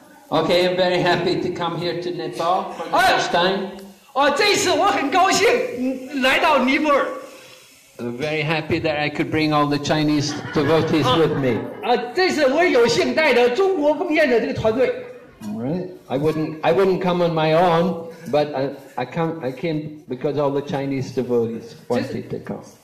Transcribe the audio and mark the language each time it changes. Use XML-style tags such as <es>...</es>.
<en>Okay, I'm very happy to come here to Nepal for the first time.</en> <zh>这次我很高兴来到尼泊尔。</zh> <en>Very happy that I could bring all the Chinese devotees with me.</en> <zh>这次我有幸带着中国奉献者这个团队。</zh> <en>I wouldn't come on my own, but I came because all the Chinese devotees wanted to come.</en>